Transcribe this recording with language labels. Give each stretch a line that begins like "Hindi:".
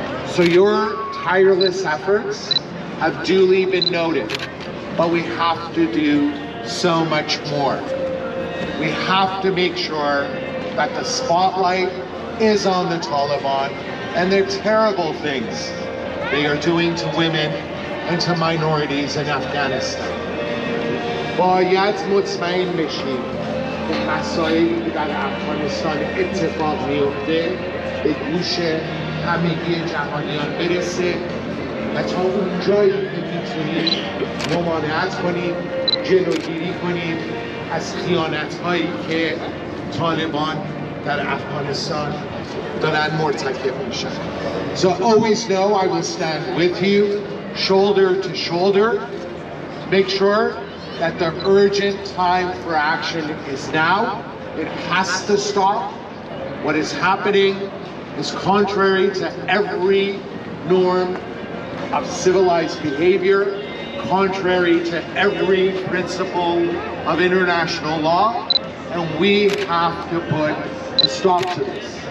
English: So your tireless efforts have duly been noted, but we have to do so much more. We have to make sure that the spotlight is on the Taliban and their terrible things they are doing to women and to minorities in Afghanistan.
Persian: باید مطمئن بشیم که مسائلی که در افغانستان اتفاق میفته به گوش همگی جهانیان برسه و تا اون جایی که میتونیم ممانعت کنیم، جلوگیری کنیم از خیانتهایی که طالبان در افغانستان دارن مرتکب میشن.
English: So always know I will stand with you, shoulder to shoulder. Make sure that the urgent time for action is now. It has to stop. What is happening is contrary to every norm of civilized behavior, contrary to every principle of international law, and we have to put a stop to this.